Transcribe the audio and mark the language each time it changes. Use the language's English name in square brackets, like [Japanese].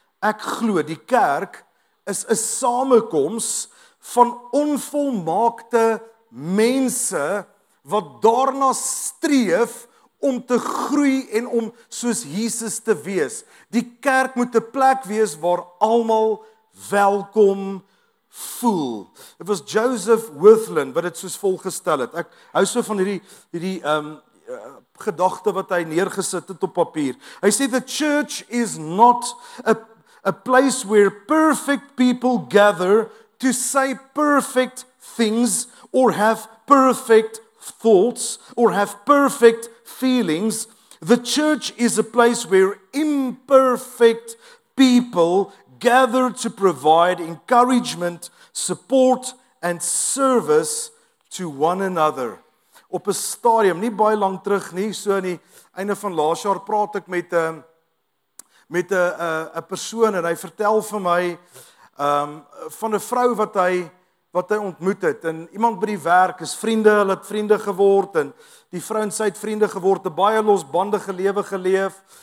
[Afrikaans] Ek glo, die kerk is 'n samekoms van onvolmaakte mense wat daarna streef om te groei en om soos Jesus te wees. Die kerk moet 'n plek wees waar almal welkom voel. Dit was Joseph Worthlin wat dit soos volg gestel het. Ek hou so van hierdie gedagte wat hy neergesit het op papier. Hy sê, [English] the church is not a place where perfect people gather to say perfect things or have perfect thoughts or have perfect feelings. The church is a place where imperfect people gather to provide encouragement, support and service to one another. [Afrikaans] Op 'n stadium, nie baie lank terug nie, so aan die einde van laas jaar praat ek met 'n persoon en hy vertel vir my van 'n vrou wat hy ontmoet het, en iemand by die werk is vriende, hulle het vriende geword, en die vrou en sy het vriende geword, 'n baie losbandige lewe geleef,